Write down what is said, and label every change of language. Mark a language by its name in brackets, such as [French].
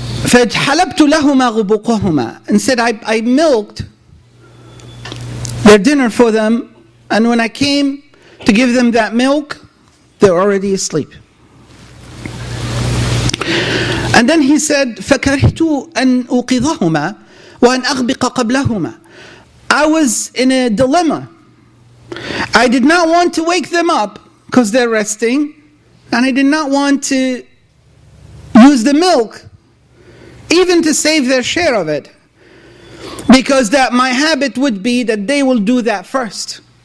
[Arabic] فَجْحَلَبْتُ لَهُمَا غُبُقُهُمَا. [English] And said, I milked their dinner for them, and when I came to give them that milk, they're already asleep. And then he said, [Arabic] فَكَرِهْتُ أَنْ أُوقِظَهُمَا وَأَنْ أَغْبِقَ قَبْلَهُمَا. [English] I was in a dilemma. I did not want to wake them up because they're resting, and I did not want to use the milk even to save their share of it, because that my habit would be that they will do that first.